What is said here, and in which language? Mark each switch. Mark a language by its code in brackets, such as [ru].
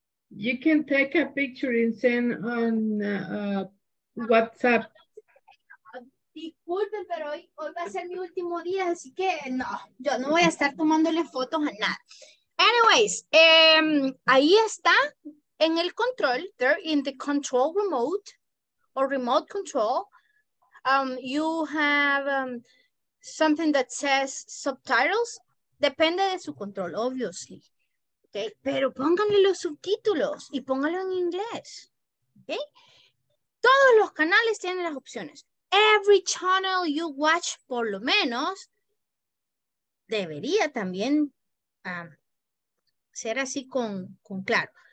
[en] You can take a picture and send on WhatsApp. [es] Disculpen, pero hoy va a ser mi último día, así que no, yo no voy a estar tomándole fotos a nada. [en] Anyways, [es] ahí está en el control, [en] there in the control remote or remote control. You have something that says subtitles, [es] depende de su control, [en] obviously. [es] Okay, pero pónganle los subtítulos y pónganlo en inglés. Okay? Todos los canales tienen las opciones. [en] Every channel you watch, [es] por lo menos, debería también ser así con Claro.